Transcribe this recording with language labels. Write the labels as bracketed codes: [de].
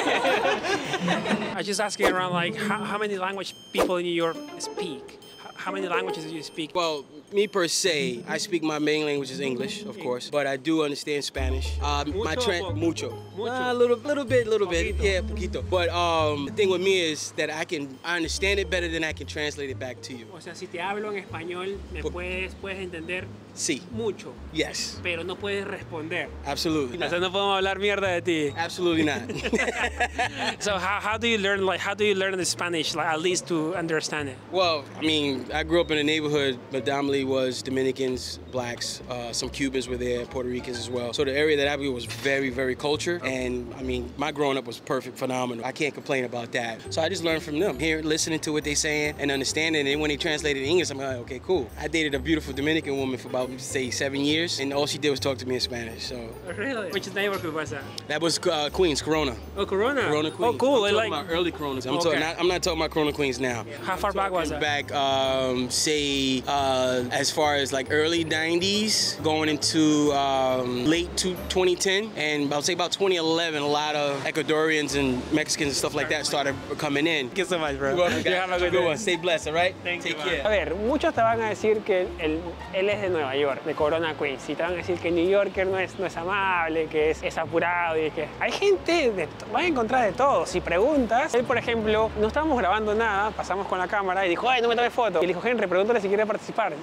[en] I just asking around, like, how many language people in New York speak? How many languages do you speak? Well, me per se, I speak my main language is English, of course, but I do understand Spanish. A little bit. [es] Yeah, poquito. [en] But the thing with me is that I understand it better than I can translate it back to you. [es] O sea, si te hablo en español, me puedes entender. Sí. Mucho. [en] Yes. [es] Pero no puedes responder. [en] Absolutely. [es] O sea, no podemos hablar mierda de ti. [en] Absolutely not. So how do you learn the Spanish, like, at least to understand it? Well, I mean, I grew up in a neighborhood, predominantly was Dominicans, Blacks, some Cubans were there, Puerto Ricans as well. So the area that I grew was very, very cultured. And I mean, my growing up was perfect, phenomenal. I can't complain about that. So I just learned from them, here, listening to what they're saying and understanding. And when they translated English, I'm like, okay, cool. I dated a beautiful Dominican woman for about, say, 7 years. And all she did was talk to me in Spanish, so. Really? Which neighborhood was that? That was Queens, Corona. Oh, Corona? Corona, Queens. Oh, cool. I'm talking about early Coronas. I'm not talking about Corona, Queens now. How far back was that? Back. As far as like early 90s going into late 2010, and I'll say about 2011, a lot of Ecuadorians and Mexicans and stuff like that started coming in. Thank you so much, bro. You have a good one. Stay blessed, all right? Thank you. [es] A ver, muchos te van a decir que él es de Nueva York, de Corona, Queens, y te van a decir que New Yorker no es amable, que es apurado, y que hay gente de, van a encontrar de todo. Si preguntas, él, por ejemplo, no estábamos grabando nada, pasamos con la cámara y dijo, ay, no me tomes foto. Y le dijo, Henry, pregúntale si quiere participar.